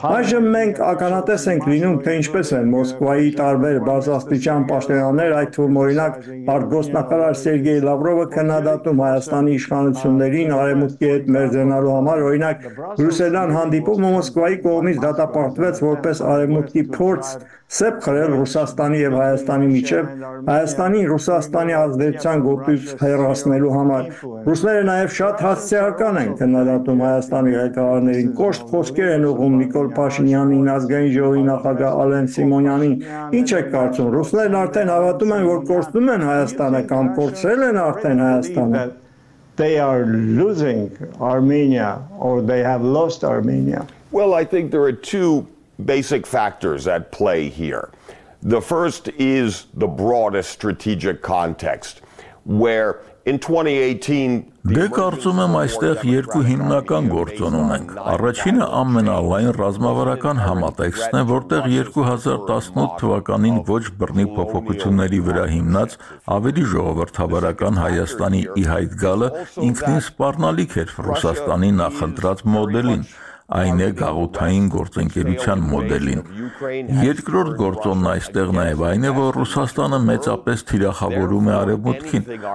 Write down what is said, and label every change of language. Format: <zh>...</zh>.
<hy>Այժմ մենք ականատես ենք լինում, թե ինչպես են Մոսկվայի տարբեր բարձրաստիճան պաշտոնյաները, այդ թվում օրինակ արտգոստնախարար Սերգեյ Լավրովը քննադատում Հայաստանի իշխանություններին արևմուտքի հետ մերձենալու համար, օրինակ Բրյուսելյան հանդիպումը Մոսկվայի կողմից դատապարտվեց որպես արևմուտքի փորձ սեպ խրել Ռուսաստանի եւ Հայաստանի միջեւ, Հայաստանի Ռուսաստանի ազդեցության գործից հեռացնելու համար։ Ռուսները նաեւ շատ հասցեական են քննադատում Հայաստանի ղեկավարներին, կոշտ խոսքեր են ուղում Նիկոլ Փաշինյանին, ազգային ժողովի նախագահ Ալեն Սիմոնյանին։ Ինչ եք կարծում, ռուսներն արդեն հավատում են, որ կորցնում են Հայաստանը կամ կորցրել են արդեն Հայաստանը?</hy> <en>They are losing Armenia or they have lost Armenia? Well, I think there are two basic factors at play here. The first is the broadest strategic context, where in 2018</en> <hy>Դե կարծում եմ այստեղ երկու հիմնական գործոն ունենք։ Առաջինը ամենալայն ռազմավարական համատեքստն է, որտեղ 2018 թվականին ոչ բռնի փոփոխությունների վրա հիմնած ավելի ժողովրդավարական Հայաստանի ի հայտ գալը ինքնին սպառնալիք էր Ռուսաստանի նախընտրած մոդելին, այն է գաղութային գործընկերության մոդելին։ Երկրորդ գործոնն այստեղ նաև այն է, որ Ռուսաստանը մեծապես թիրախավորում է Արևմուտքին։</hy>